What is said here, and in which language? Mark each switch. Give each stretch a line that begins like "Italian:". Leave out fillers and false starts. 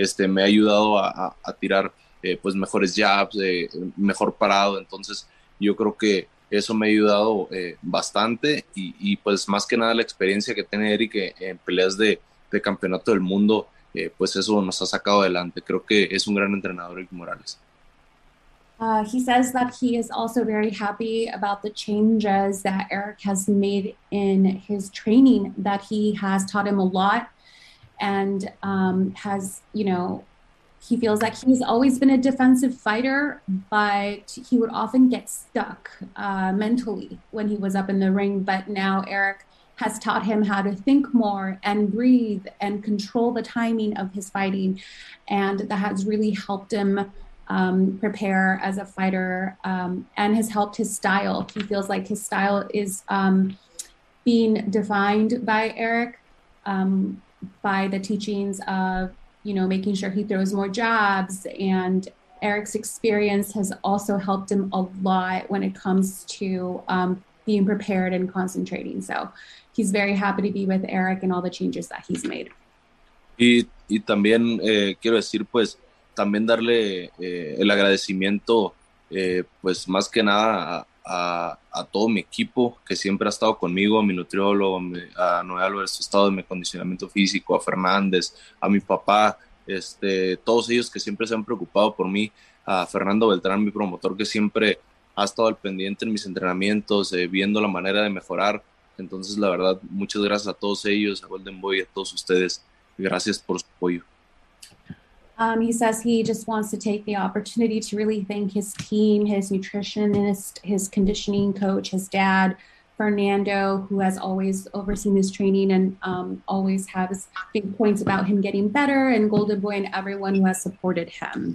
Spanish: Me ha ayudado a tirar pues mejores jabs, mejor parado. Entonces yo creo que eso me ha ayudado bastante, y pues más que nada la experiencia que tiene Eric en peleas de campeonato del mundo, pues eso nos ha sacado adelante. Creo que es un gran entrenador, Eric Morales.
English: He says that he is also very happy about the changes that Eric has made in his training, that he has taught him a lot, and has, you know, he feels like he's always been a defensive fighter, but he would often get stuck mentally when he was up in the ring. But now Eric has taught him how to think more and breathe and control the timing of his fighting. And that has really helped him prepare as a fighter and has helped his style. He feels like his style is being defined by Eric, by the teachings of, you know, making sure he throws more jabs. And Eric's experience has also helped him a lot when it comes to being prepared and concentrating. So he's very happy to be with Eric and all the changes that he's made.
Spanish: Y también quiero decir, pues, también darle el agradecimiento, pues, más que nada a todo mi equipo que siempre ha estado conmigo, a mi nutriólogo, a Noé Álvarez, su estado de mi acondicionamiento físico, a Fernández, a mi papá, todos ellos que siempre se han preocupado por mí, a Fernando Beltrán, mi promotor, que siempre ha estado al pendiente en mis entrenamientos, viendo la manera de mejorar. Entonces, la verdad, muchas gracias a todos ellos, a Golden Boy, a todos ustedes. Gracias por su apoyo.
English: He says he just wants to take the opportunity to really thank his team, his nutritionist, his conditioning coach, his dad, Fernando, who has always overseen his training and always has big points about him getting better, and Golden Boy and everyone who has supported him.